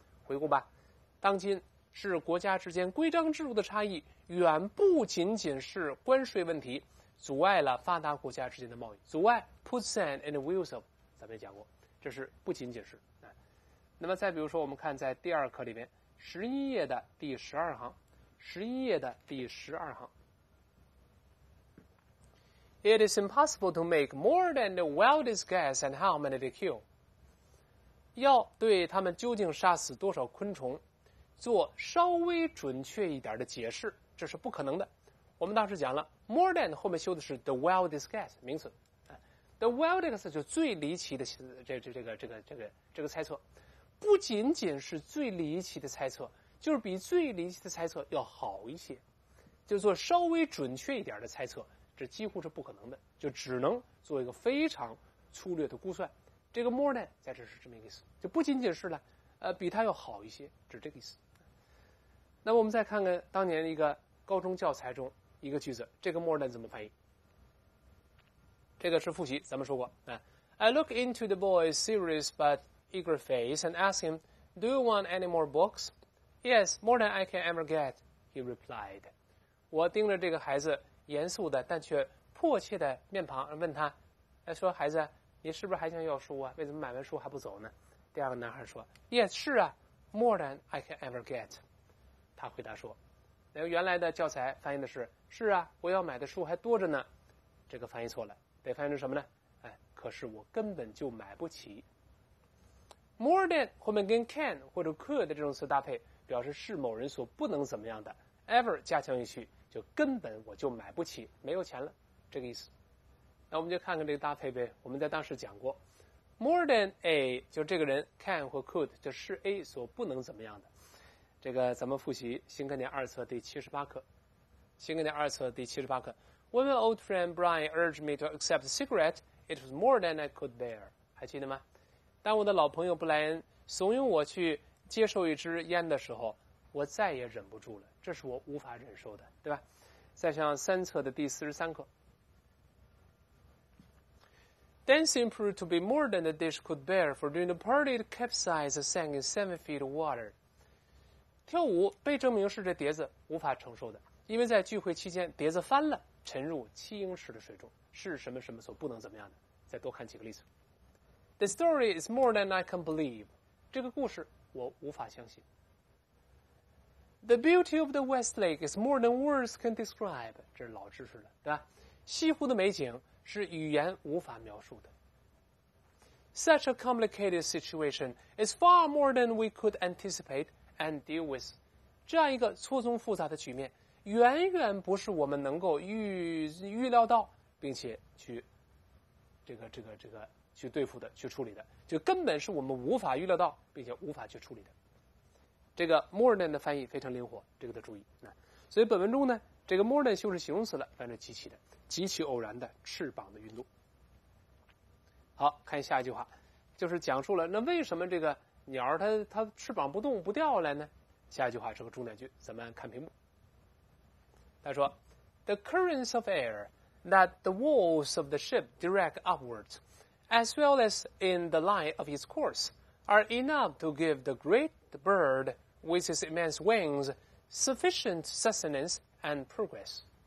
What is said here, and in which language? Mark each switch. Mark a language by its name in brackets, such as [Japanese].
[Chinese] 回顾吧，当今是国家之间规章制度的差异远不仅仅是关税问题，阻碍了发达国家之间的贸易，阻碍 [English] puts an and wills of， [Chinese] 咱们也讲过，这是不仅仅是。那么再比如说，我们看在第二课里面，十一页的第十二行。 [English] It is impossible to make more than the wildest guess and how many they kill. [Chinese] 要对他们究竟杀死多少昆虫做稍微准确一点的解释，这是不可能的。我们当时讲了 more than 后面修的是 [English] the wildest guess [Chinese] 名词， the wildest 就最离奇的这个猜测，不仅仅是最离奇的猜测，就是比最离奇的猜测要好一些，就做稍微准确一点的猜测，这几乎是不可能的，就只能做一个非常粗略的估算。这个 more than 在这是这么一个意思，就不仅仅是呢，比它要好一些，只是这个意思。那么我们再看看当年一个高中教材中一个句子，这个 more than 怎么翻译？这个是复习，咱们说过啊。 [English] I look into the boy's serious but eager face and ask him, "Do you want any more books?" "Yes, more than I can ever get," he replied. [Chinese] 我盯着这个孩子严肃的但却迫切的面庞问他，说孩子，你是不是还想要书啊？为什么买完书还不走呢？第二个男孩说 [English] ，Yes， [Chinese] 是啊 [English] ，more than I can ever get。 [Chinese] 他回答说，那个原来的教材翻译的是，是啊，我要买的书还多着呢。这个翻译错了，得翻译成什么呢？哎，可是我根本就买不起。 More than 后面跟 can 或者 could 的这种词搭配，表示是某人所不能怎么样的。 Ever 加强一句，就根本我就买不起，没有钱了，这个意思。那我们就看看这个搭配呗。我们在当时讲过 ，more than a 就这个人 can 或 could 就是 a 所不能怎么样的。这个咱们复习新概念二册第七十八课。新概念二册第七十八课 [English] ，When my old friend Brian urged me to accept a cigarette, it was more than I could bear。 [Chinese] 还记得吗？当我的老朋友布莱恩怂恿我去接受一支烟的时候，我再也忍不住了，这是我无法忍受的，对吧？再像三册的第四十三课。 [English] Dancing proved to be more than the dish could bear, for during the party, it capsized and sank in 7 feet of water. [Chinese] 跳舞被证明是这碟子无法承受的，因为在聚会期间，碟子翻了，沉入7英尺的水中，是什么什么所不能怎么样的。再多看几个例子。 [English] The story is more than I can believe. [Chinese] 这个故事我无法相信。 [English] The beauty of the West Lake is more than words can describe. [Chinese] 这是老知识了，对吧？西湖的美景是语言无法描述的。 [English] Such a complicated situation is far more than we could anticipate and deal with. [Chinese] 这样一个错综复杂的局面，远远不是我们能够预料到，并且去这个去对付的、去处理的，就根本是我们无法预料到，并且无法去处理的。这个 more than 的翻译非常灵活，这个得注意。所以本文中呢，这个 more than 修饰形容词了，翻译极其的。极其偶然的翅膀的运动。好，看下一句话，就是讲述了那为什么这个鸟儿 它翅膀不动不掉来呢？下一句话是个重点句，咱们看屏幕。他说 [English] ：“The currents of air that the walls of the ship direct upwards, as well as in the line of its course, are enough to give the great bird with its immense wings sufficient sustenance and progress.”